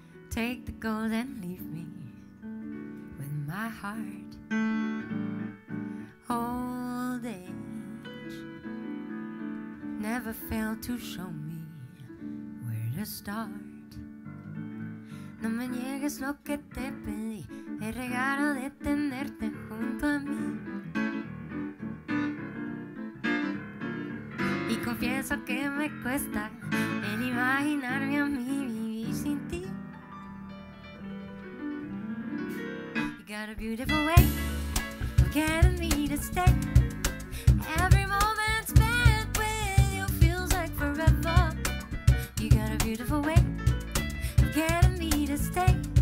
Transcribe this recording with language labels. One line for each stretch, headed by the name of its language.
English: Take the gold and leave me with my heart. Old age never failed to show me where to start.
Spanish: No me niegues lo que te pedí, el regalo de tenerte junto a mí. Confieso que me cuesta el imaginarme a mí vivir sin ti.
English: You got a beautiful way of getting me to stay. Every moment spent with you feels like forever. You got a beautiful way of getting me to stay.